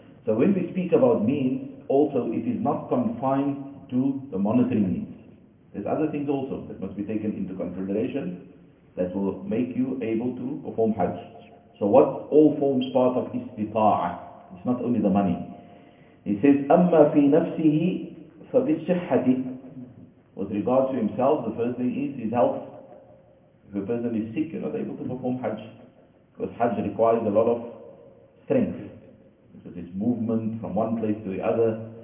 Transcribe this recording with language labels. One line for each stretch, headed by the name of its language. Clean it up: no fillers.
English: So when we speak about means, also it is not confined to the monetary means. There's other things also that must be taken into consideration that will make you able to perform Hajj. So what all forms part of istita'ah? It's not only the money. He says,
Arabic: أَمَّا فِي نَفْسِهِ فَبِالصِّحَّةِ.
English: With regards to himself, the first thing is his health. If a person is sick, you're not able to perform Hajj. Because Hajj requires a lot of strength. Because it's movement from one place to the other.